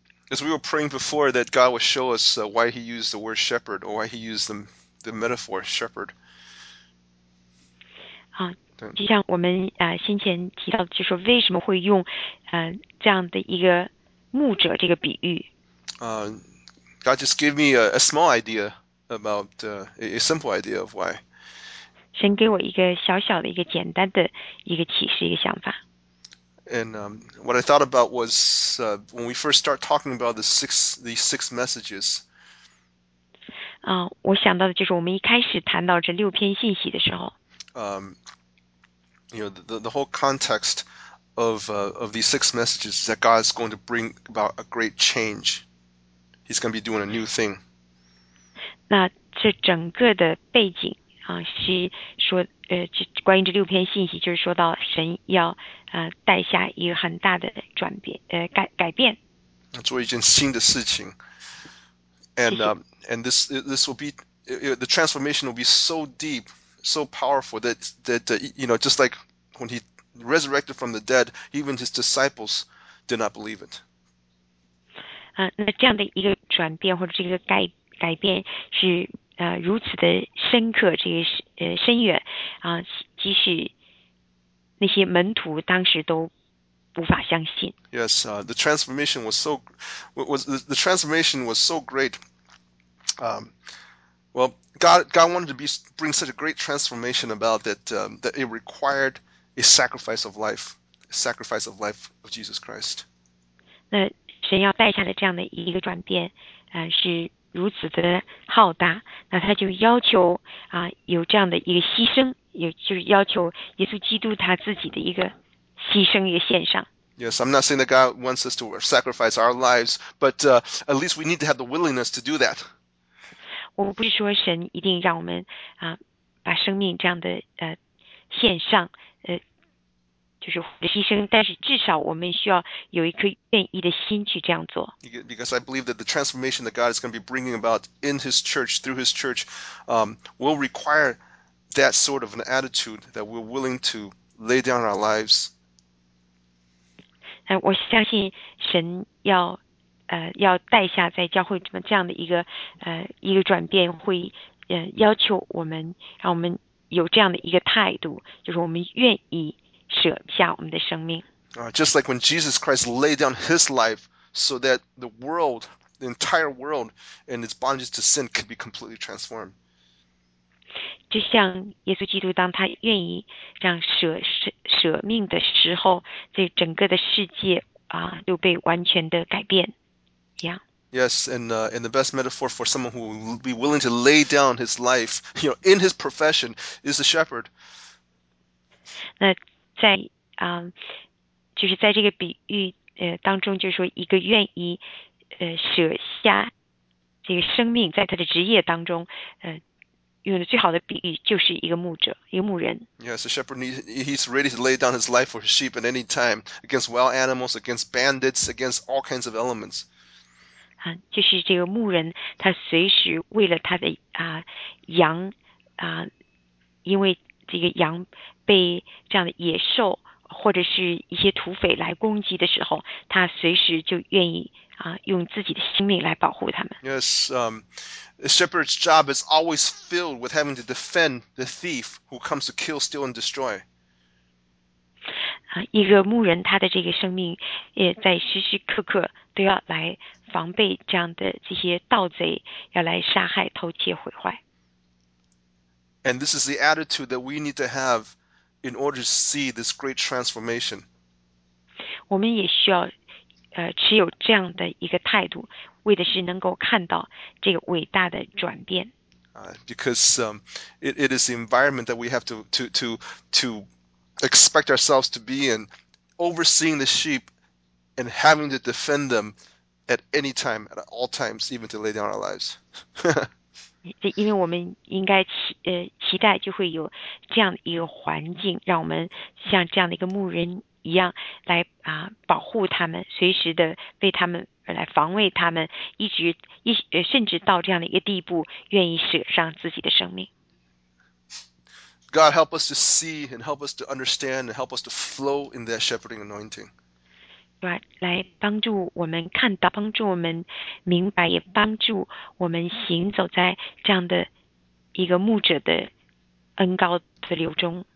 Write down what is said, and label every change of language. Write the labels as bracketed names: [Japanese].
[English] As we were praying before, that God would show us why He used the word shepherd, or why He used the metaphor shepherd. [Chinese] 就像我们先前提到的，就是说为什么会用这样的一个牧者这个比喻。 [English] God just gave me a small idea about a simple idea of why. [Chinese] 神给我一个小小的一个简单的一个启示，一个想法。 [English] And what I thought about was when we first start talking about the six messages. [Chinese] 我想到的就是我们一开始谈到这六篇信息的时候。 [English] You know, the whole context of these six messages is that God is going to bring about a great change. He's going to be doing a new thing. [Chinese] 那这整个的背景是说关于这六篇信息，就是说到神要带下一个很大的转变改变。做一件新的事情。 [English] And this will be the transformation will be so deep, so powerful that you know, just like when he resurrected from the dead, even his disciples did not believe it. [Chinese] 那这样的一个转变或者这个改变是如此的深刻，这个深远即使那些门徒当时都无法相信。 [English] Yes, the transformation was so great. Well, God wanted to bring such a great transformation about that it required a sacrifice of life, a sacrifice of life of Jesus Christ. [Chinese] 那神要带下的这样的一个转变，是如此的浩大，那他就要求有这样的一个牺牲，也就是要求耶稣基督他自己的一个牺牲，一个献上。 [English] Yes, I'm not saying that God wants us to sacrifice our lives, but at least we need to have the willingness to do that. [Chinese] 我不是说神一定让我们把生命这样的献上，就是牺牲，但是至少我们需要有一颗愿意的心去这样做。 [English] Because I believe that the transformation that God is going to be bringing about in His church, through His church, will require that sort of an attitude that we're willing to lay down our lives. [Chinese] 我相信神要带下在教会这样的一个转变会，要求我们，让我们有这样的一个态度，就是我们愿意舍下我们的生命。 [English] Just like when Jesus Christ laid down his life so that the world, the entire world, and its bondage to sin could be completely transformed. [Chinese] 就像耶稣基督，当他愿意这样舍命的时候，这整个的世界就被完全的改变。 [English] Yes, and the best metaphor for someone who will be willing to lay down his life, in his profession, is a shepherd. [Chinese] 那在就是在这个比喻当中，就是说一个愿意舍下这个生命，在他的职业当中，用的最好的比喻就是一个牧者，一个牧人。 [English] Yes, a shepherd, he's ready to lay down his life for his sheep at any time, against wild animals, against bandits, against all kinds of elements. [Chinese] 就是这个牧人，他随时为了他的羊因为这个羊被这样的野兽或者是一些土匪来攻击的时候，他随时就愿意用自己的性命来保护他们。 [English] Yes, a shepherd's job is always filled with having to defend the thief who comes to kill, steal, and destroy. [Chinese] 一个牧人，他的这个生命也在时时刻刻都要来防备这样的这些盗贼要来杀害、偷窃、毁坏。 [English] And this is the attitude that we need to have in order to see this great transformation. [Chinese] 我们也需要，持有这样的一个态度，为的是能够看到这个伟大的转变。 [English] Because it is the environment that we have to expect ourselves to be in, overseeing the sheep and having to defend them at any time, at all times, even to lay down our lives. [Chinese] 这因为我们应该期待就会有这样一个环境，让我们像这样的一个牧人一样来保护他们，随时的为他们来防卫他们，一直一甚至到这样的一个地步，愿意舍上自己的生命。 [English] God, help us to see and help us to understand and help us to flow in that shepherding anointing. [Chinese] 来帮助我们看到，帮助我们明白，也帮助我们行走在这样的一个牧者的恩膏的流中。